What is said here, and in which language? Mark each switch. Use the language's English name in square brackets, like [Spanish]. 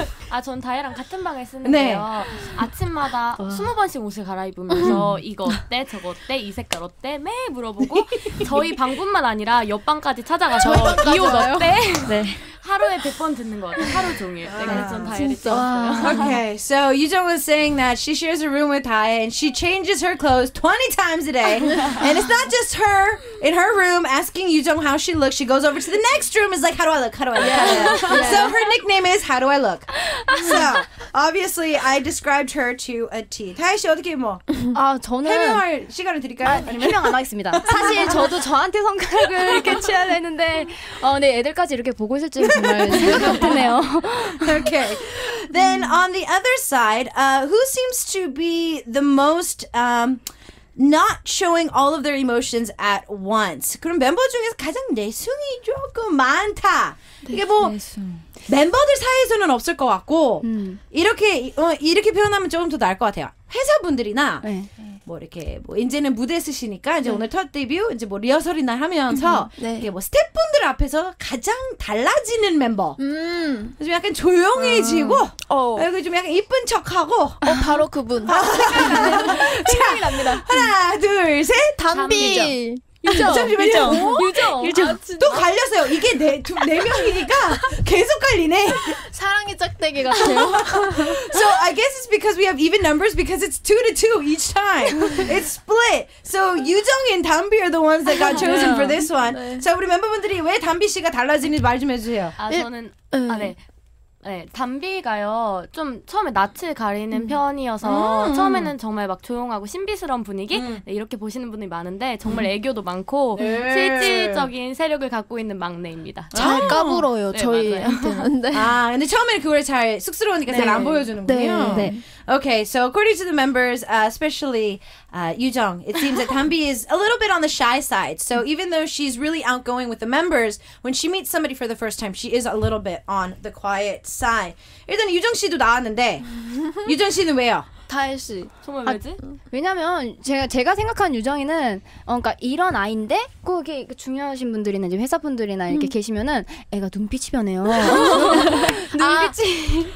[Korean] 아, 전 다혜랑 같은 방에 쓰는데요. 네. 아침마다 20번씩 옷을 갈아입으면서 이거 어때? 저거 어때? 이 색깔 어때? 매일 물어보고 저희 방뿐만 아니라 옆방까지 찾아가서 이 옷 어때? 네. 하루에 100번 듣는 것 같아요. 하루 종일. 네, 그래서 전 다혜를 찍었어요. [English] Okay, so Yujeong was saying that she shares a room with Tae and she changes her clothes 20 times a day. And it's not just her in her room asking Yujeong how she looks. She goes over to the next room and is like, how do I look? How do I look? Yeah. So her nickname is, how do I look? So, obviously, I described her to a T. [Korean] 다혜 씨, 어떻게 뭐? 아, 저는... 해명할 시간을 드릴까요? 아니, 해명 안 하겠습니다. 사실 저도 저한테 성격을 깨쳐야 되는데 네, 애들까지 이렇게 보고 있을 줄 [English] Okay. Then on the other side, who seems to be the most not showing all of their emotions at once? [Korean] 그럼 멤버 중에서 가장 내숭이 조금 많다. 이게 뭐 멤버들 사이에서는 없을 것 같고 이렇게 이렇게 표현하면 조금 더 나을 것 같아요. 회사분들이나 뭐 이렇게 뭐 이제는 무대 쓰시니까 이제 오늘 첫 데뷔 이제 뭐 리허설이나 하면서 이게 뭐 스태프분들 앞에서 가장 달라지는 멤버 좀 약간 조용해지고 그리고 좀 약간 이쁜 척하고 바로 그분 생각이 납니다. 하나 둘 셋 담비 유정. 아, 또 갈렸어요. 이게 네, 두, 네 명이니까 계속 갈리네. 사랑의 짝대기 같아요. [English] So I guess it's because we have even numbers because it's 2-2 each time. It's split. So 유정 and 담비 are the ones that got chosen 네. for this one. 네. [Korean] 자, 우리 멤버분들이 왜 담비 씨가 달라지는지 말 좀 해주세요. 아, 저는... 아, 네. 네, 담비가요, 좀 처음에 낯을 가리는 편이어서 처음에는 정말 막 조용하고 신비스러운 분위기? 네, 이렇게 보시는 분들이 많은데 정말 애교도 많고 실질적인 세력을 갖고 있는 막내입니다. 잘 까불어요, 네, 저희한테. 아, 근데 처음에는 그걸 잘 쑥스러우니까 잘 안 보여주는군요. 네. 네. [English] Okay, so according to the members, especially Yujeong, it seems that Danbi is a little bit on the shy side. So even though she's really outgoing with the members, when she meets somebody for the first time, she is a little bit on the quiet side. [Korean] 일단 유정 씨도 나왔는데 유정 씨는 왜요? 다혜 씨. 정말 왜지? 왜냐면 제가 생각한 유정이는 그러니까 이런 아이인데 꼭 이렇게 중요하신 분들이나 이제 회사분들이나 이렇게 계시면은 애가 눈빛이 변해요. 눈빛이